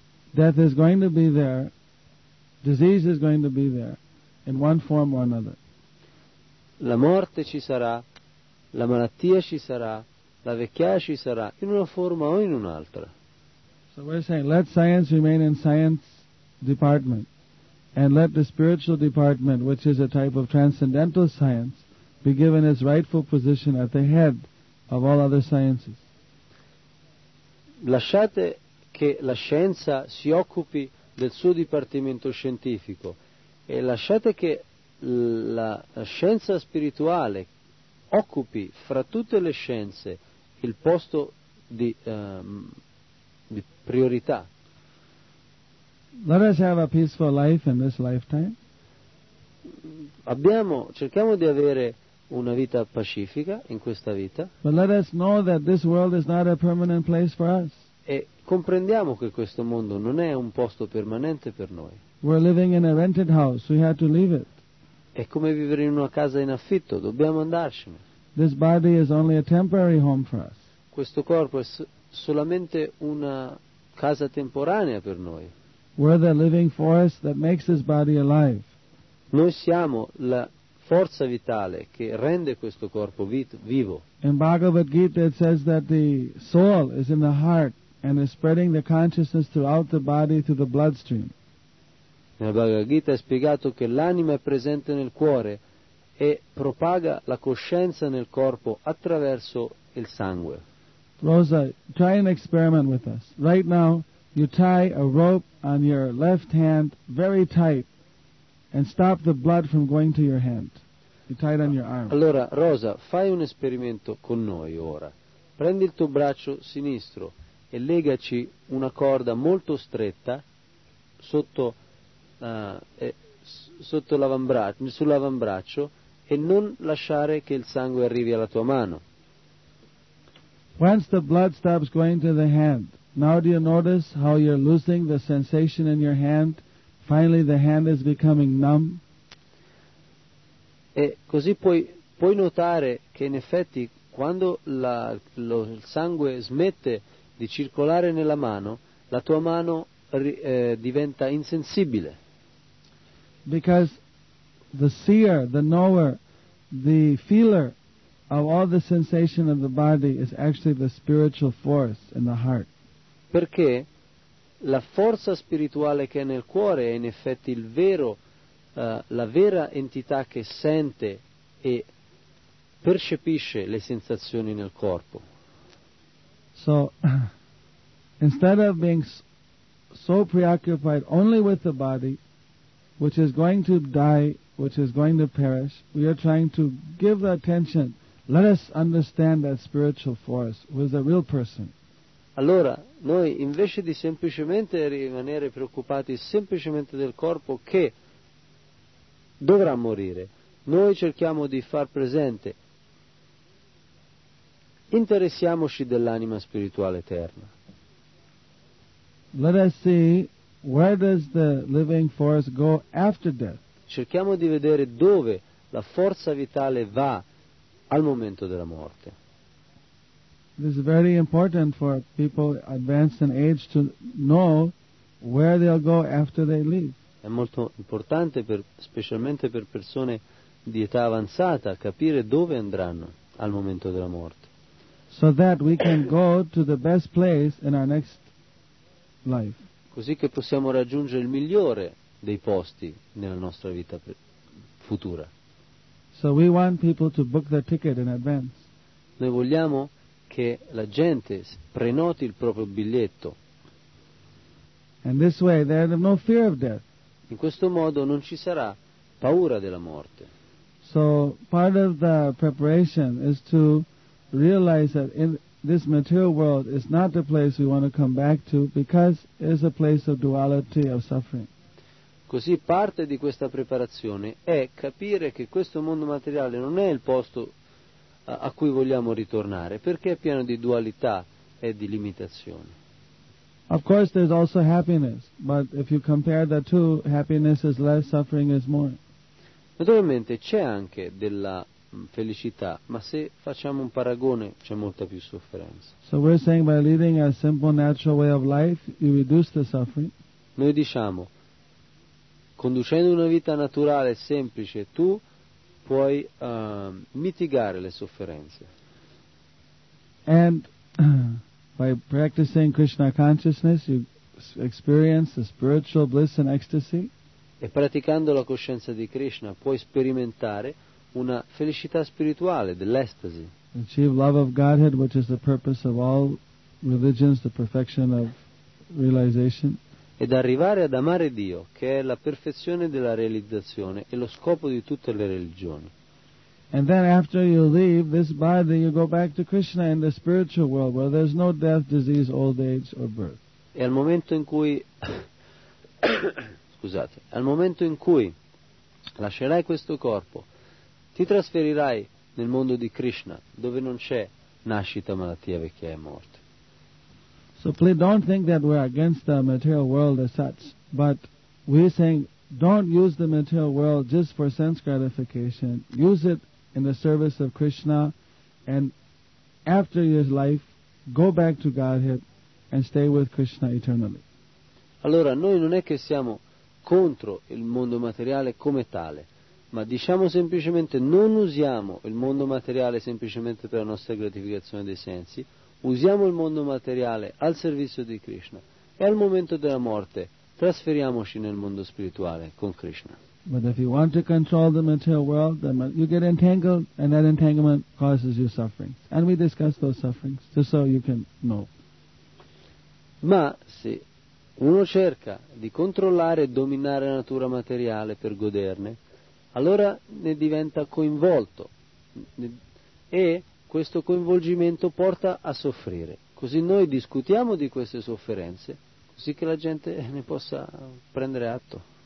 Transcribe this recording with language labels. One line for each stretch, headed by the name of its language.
English: Death is going to be there. Disease is going to be there in one form or another.
Italian: La morte ci sarà, la malattia ci sarà, la vecchiaia ci sarà in una forma o in un'altra.
English: So we're saying let science remain in science department. And let the spiritual department, which is a type of transcendental science, be given its rightful position at the head of all other sciences.
Italian: Lasciate che la scienza si occupi del suo dipartimento scientifico e lasciate che la scienza spirituale occupi fra tutte le scienze il posto di priorità.
English: Let us have a peaceful life in this lifetime.
Italian: Cerchiamo di avere una vita pacifica in questa vita.
English: But let us know that this world is not a permanent place for us.
Italian: E comprendiamo che questo mondo non è un posto permanente per noi.
English: We're living in a rented house. We have to leave it.
Italian: È come vivere in una casa in affitto. Dobbiamo andarcene.
English: This body is only a temporary home for us.
Italian: Questo corpo è solamente una casa temporanea per noi.
English: We're the living force that makes this body alive.
Italian: Noi siamo la forza vitale che rende questo corpo vivo.
English: In Bhagavad Gita it says that the soul is in the heart and is spreading the consciousness throughout the body through the bloodstream.
Italian: Nella Bhagavad Gita è spiegato che l'anima è presente nel cuore e propaga la coscienza nel corpo attraverso il sangue.
English: Rosa, try an experiment with us. Right now, you tie a rope on your left hand very tight and stop the blood from going to your hand. You tie it on your arm.
Italian: Allora, Rosa, fai un esperimento con noi ora. Prendi il tuo braccio sinistro e legaci una corda molto stretta sotto l'avambraccio, sull'avambraccio, e non lasciare che il sangue arrivi alla tua mano.
English: Once the blood stops going to the hand, now do you notice how you're losing the sensation in your hand? Finally the hand is becoming numb.
Italian: E così puoi notare che in effetti quando il sangue smette di circolare nella mano, la tua mano diventa insensibile.
English: Because the seer, the knower, the feeler of all the sensation of the body is actually the spiritual force in the heart.
Italian: Perché la forza spirituale che è nel cuore è in effetti il vero, la vera entità che sente e percepisce le sensazioni nel corpo.
English: So, instead of being so preoccupied only with the body, which is going to die, which is going to perish, we are trying to give the attention. Let us understand that spiritual force, who is a real person.
Italian: Allora, noi invece di semplicemente rimanere preoccupati semplicemente del corpo che dovrà morire, noi cerchiamo di far presente, interessiamoci dell'anima spirituale eterna.
English: Let us see where does the living force go after death.
Italian: Cerchiamo di vedere dove la forza vitale va al momento della morte.
English: This is very important for people advanced in age to know where they'll go after they leave.
Italian: È molto importante specialmente per persone di età avanzata capire dove andranno al momento della morte.
English: So that we can go to the best place in our next life.
Italian: Così che possiamo raggiungere il migliore dei posti nella nostra vita futura.
English: So we want people to book their ticket in advance.
Italian: Noi vogliamo che la gente prenoti il proprio biglietto.
English: And this way they have no fear of death.
Italian: In questo modo non ci sarà paura della morte.
English: So part of the preparation is to realize that in this material world is not the place we want to come back to because it's a place of duality of suffering.
Italian: Così parte di questa preparazione è capire che questo mondo materiale non è il posto a cui vogliamo ritornare, perché è pieno di dualità e di limitazioni.
English: Of course there's also happiness, but if you compare the two, happiness is less, suffering is more.
Italian: Naturalmente c'è anche della felicità, ma se facciamo un paragone c'è molta più sofferenza.
English: So we're saying by leading a simple natural way of life, you reduce the suffering.
Italian: Noi diciamo, conducendo una vita naturale semplice, tu puoi mitigare le sofferenze.
English: And by practicing Krishna consciousness, you experience the spiritual bliss and ecstasy.
Italian: E praticando la coscienza di Krishna, puoi sperimentare una felicità spirituale, dell'estasi.
English: Achieve love of Godhead, which is the purpose of all religions, the perfection of realization.
Italian: Ed arrivare ad amare Dio, che è la perfezione della realizzazione e lo scopo di tutte le religioni.
English: And then after you leave this body, you go back to Krishna in the spiritual world, where there's no death, disease, old age or birth.
Italian: E al momento in cui al momento in cui lascerai questo corpo, ti trasferirai nel mondo di Krishna, dove non c'è nascita, malattia, vecchiaia e morte.
English: So please don't think that we're against the material world as such, but we're saying don't use the material world just for sense gratification. Use it in the service of Krishna, and after your life, go back to Godhead and stay with Krishna eternally.
Italian: Allora, noi non è che siamo contro il mondo materiale come tale, ma diciamo semplicemente non usiamo il mondo materiale semplicemente per la nostra gratificazione dei sensi. Usiamo il mondo materiale al servizio di Krishna e al momento della morte trasferiamoci nel mondo spirituale con Krishna.
English: But if you want to control the material world, then you get entangled, and that entanglement causes you suffering. And we discuss those sufferings just so you can know.
Italian: Ma se uno cerca di controllare e dominare la natura materiale per goderne, allora ne diventa coinvolto e questo coinvolgimento porta a soffrire. Così noi discutiamo di queste sofferenze, così che la gente ne possa prendere atto.